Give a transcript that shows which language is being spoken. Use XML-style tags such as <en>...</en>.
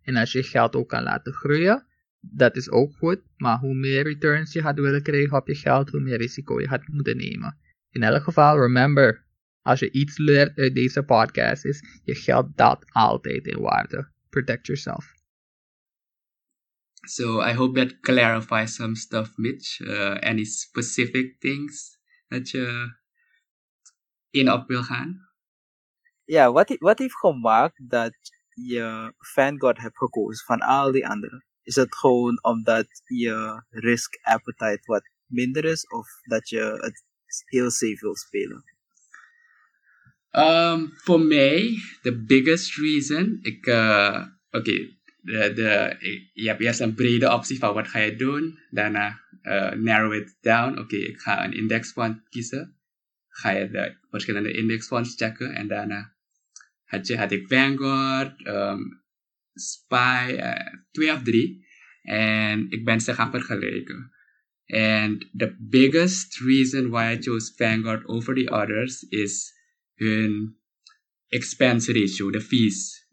<nl>En als je geld ook kan laten groeien, dat is ook goed, maar hoe meer returns je gaat willen krijgen op je geld, hoe meer risico je gaat moeten nemen. In elk geval, remember, als je iets leert uit deze podcast, is je geld daalt altijd in waarde.</nl> <en>Protect yourself. So, I hope that clarifies some stuff, Mitch. Any specific things that you</en> <nl>in op wil gaan? Ja, wat heeft gemaakt dat je Vanguard hebt gekozen van al die anderen? Is het gewoon omdat je risk appetite wat minder is, of dat je het heel safe wil spelen? Voor mij, de</nl> <en>biggest reason,</en> <nl>je hebt eerst een brede optie van wat ga je doen, daarna</nl> <en>narrow it down.</en> <nl>Ik ga een index fund kiezen, ga je de verschillende index funds checken, en daarna had ik Vanguard, SPY, 2 of 3. En ik ben ze gaan vergelijken.</nl> <en>And the biggest reason why I chose Vanguard over the others is</en> <nl>hun expense ratio, de fees.</nl>